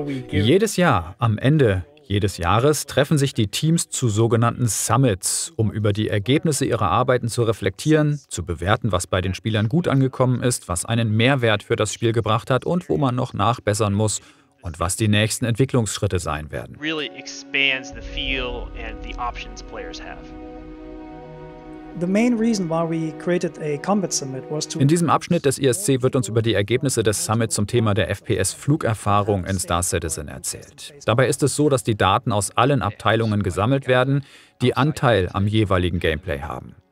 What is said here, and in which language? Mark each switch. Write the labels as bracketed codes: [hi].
[de] Jedes Jahr, am Ende jedes Jahres, treffen sich die Teams zu sogenannten Summits, um über die Ergebnisse ihrer Arbeiten zu reflektieren, zu bewerten, was bei den Spielern gut angekommen ist, was einen Mehrwert für das Spiel gebracht hat und wo man noch nachbessern muss und was die nächsten Entwicklungsschritte sein werden. [en] Really expands the feel and the options players have. [de] In diesem Abschnitt des ISC wird uns über die Ergebnisse des Summits zum Thema der FPS-Flugerfahrung in Star Citizen erzählt. Dabei ist es so, dass die Daten aus allen Abteilungen gesammelt werden, die Anteil am jeweiligen Gameplay haben.